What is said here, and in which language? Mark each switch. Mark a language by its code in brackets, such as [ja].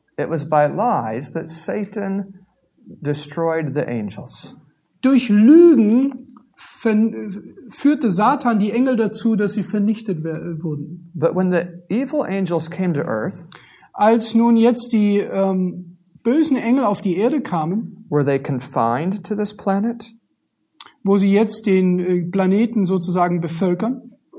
[en] It was by lies that Satan destroyed the angels. [de] Durch Lügen führte Satan die Engel dazu, dass sie vernichtet wurden. [en] But when the evil angels came to earth, [de] als nun jetzt die bösen Engel auf die Erde kamen, [en] were they confined to this planet? [de] Wo sie jetzt den Planeten sozusagen bevölkern?